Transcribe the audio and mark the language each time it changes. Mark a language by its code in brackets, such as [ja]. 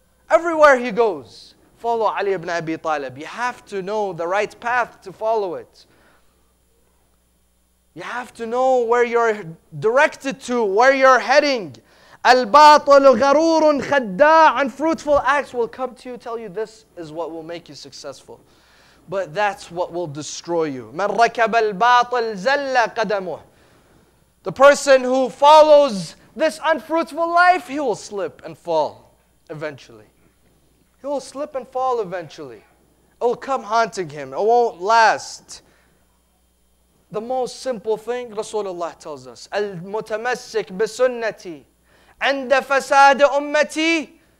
[en] Everywhere he goes. Follow Ali ibn Abi Talib. You have to know the right path to follow it. You have to know where you're directed to, where you're heading. [ar] الْبَاطُلُ غَرُورٌ خَدَّاعٌ [en] Unfruitful acts will come to you, tell you this is what will make you successful. But that's what will destroy you. [ar] مَنْ رَكَبَ الْبَاطُلْ زَلَّ قَدَمُهُ [en] The person who follows this unfruitful life, he will slip and fall eventually. He will slip and fall eventually. It will come haunting him. It won't last. The most simple thing, Rasulullah tells us, [ar] المتمسك بسنتي عند فساد أمتي.